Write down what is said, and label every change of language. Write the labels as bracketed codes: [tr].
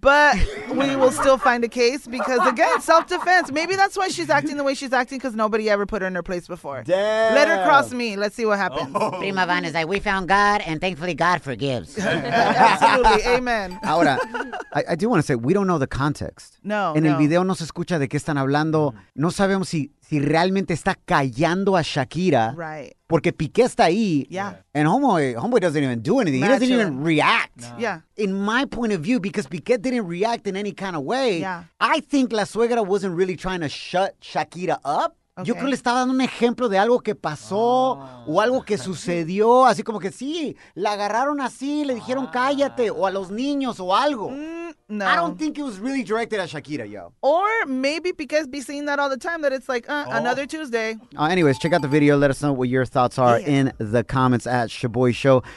[en] But we will still find a case because, again, self-defense. Maybe that's why she's acting the way she's acting because nobody ever put her in her place before. Damn. Let her cross me. Let's see what happens. Oh. Prima Van is like, we found God, and thankfully God forgives. Absolutely. Amen. Ahora, I do want to say, we don't know the context. [es] No, En el video no se escucha de qué están hablando. No sabemos si... si realmente está callando a Shakira. [en] Right. [es] Porque Piqué está ahí. [en] Yeah. And homeboy doesn't even do anything. Matcha. He doesn't even react. No. Yeah. In my point of view, because Piqué didn't react in any kind of way. Yeah. I think La Suegra wasn't really trying to shut Shakira up. Okay. [es] Yo creo que le estaba dando un ejemplo de algo que pasó o algo que sucedió. Así como que sí, la agarraron así, le dijeron cállate o a los niños o algo. No. [en] I don't think it was really directed at Shakira, yo. Or maybe Piqué's be seeing that all the time, that it's like, another Tuesday. Anyways, check out the video. Let us know what your thoughts are in the comments at Shaboy Show.